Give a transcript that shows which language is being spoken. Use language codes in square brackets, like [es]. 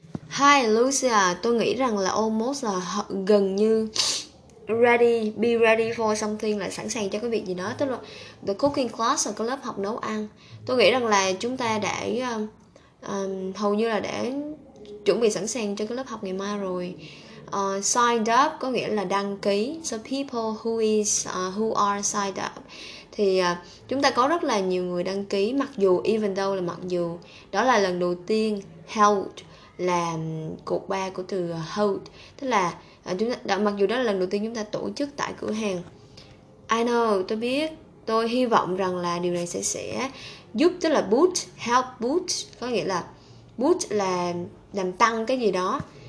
[vi] Hi, Lucia, tôi nghĩ rằng là almost là gần như ready, [en] be ready for something [vi] là sẵn sàng cho cái việc gì đó. Tức là [en] the cooking class [vi] là cái lớp học nấu ăn. Tôi nghĩ rằng là chúng ta đã hầu như là đã chuẩn bị sẵn sàng cho cái lớp học ngày mai rồi. [en] Signed up [vi] có nghĩa là đăng ký. [en] So people who are signed up. [vi] Thì chúng ta có rất là nhiều người đăng ký. Mặc dù đó là lần đầu tiên held là cột 3 của từ hold. Tức là mặc dù đó là lần đầu tiên chúng ta tổ chức tại cửa hàng. [en] I know, [vi] tôi biết. Tôi hy vọng rằng là điều này sẽ giúp, tức là boost, [en] help boost [vi] có nghĩa là boost là làm tăng cái gì đó.